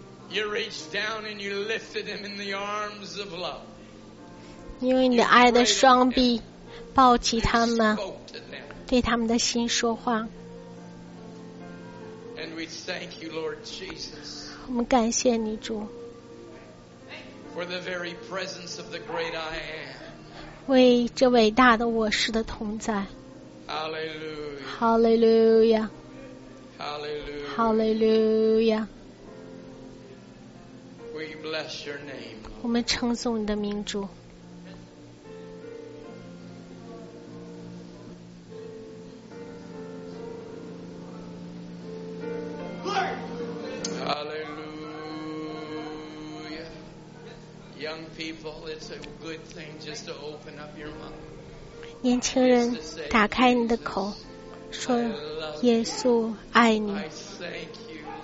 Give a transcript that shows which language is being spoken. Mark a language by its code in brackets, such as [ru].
[en] You reached down and you lifted him in the arms of love. [zh] 因为你的爱的双臂抱起他们，对他们的心说话。 [en] And we thank you, Lord Jesus. [zh] 我们感谢你，主。 [en] For the very presence of the great I am. [zh] 为这伟大的我是的同在。 [en] Hallelujah. Hallelujah. Hallelujah. Hallelujah. We bless your name. [zh] 我们称颂你的名，主。 [en] Hallelujah. Young people, it's a good thing just to open up your mouth. [zh] 年轻人，打开你的口，说：“耶稣爱你。”